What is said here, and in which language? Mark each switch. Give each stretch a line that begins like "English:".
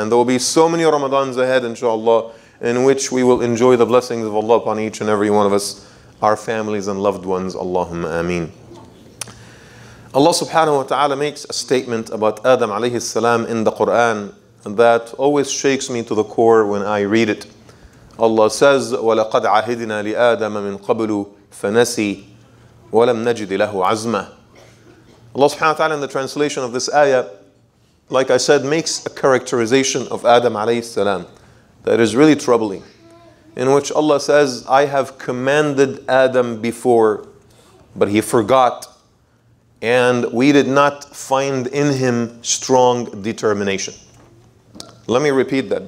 English: And there will be so many Ramadans ahead, inshallah, in which we will enjoy the blessings of Allah upon each and every one of us, our families and loved ones. Allahumma ameen. Allah subhanahu wa ta'ala makes a statement about Adam alayhi salam in the Quran that always shakes me to the core when I read it. Allah says,
Arabic: وَلَقَدْ عَهِدْنَا لِآدَمَ مِنْ قَبْلُ فَنَسِي وَلَمْ نَجِدْ لَهُ عَزْمًا.
English: Allah subhanahu wa ta'ala in the translation of this ayah, like I said, makes a characterization of Adam alayhi salam that is really troubling, in which Allah says, I have commanded Adam before, but he forgot, and we did not find in him strong determination. Let me repeat that.